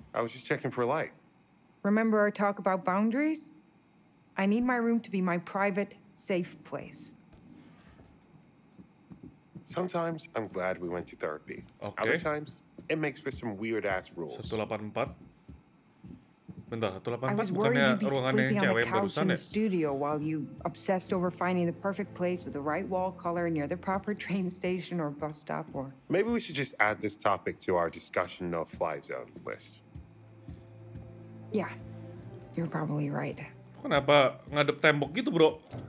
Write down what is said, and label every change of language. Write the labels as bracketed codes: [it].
[en] I was just checking for light. Remember our talk about boundaries? I need my room to be my private, safe place. Sometimes I'm glad we went to therapy. Okay. Other times, it makes for some weird-ass rules. 184. [id] Bentar, 184 bukannya ruangannya yang cewek yang barusan ya? [en] The studio while you obsessed over finding the perfect place with the right wall color near the proper train station or bus stop or... Maybe we should just add this topic to our discussion no-fly zone list. Yeah, you're probably right. [id] Kenapa ngadep tembok gitu, bro?